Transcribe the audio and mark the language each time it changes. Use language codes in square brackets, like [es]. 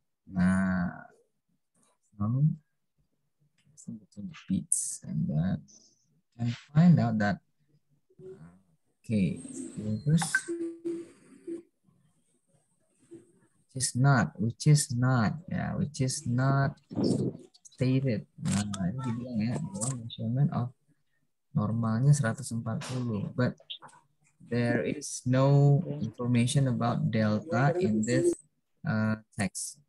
[en] Nah, between the beats and that. And find out that, okay, which is not stated. [id] Nah, ini dibilang ya, bahwa measurement of normalnya 140. [en] But there is no information about delta in this text.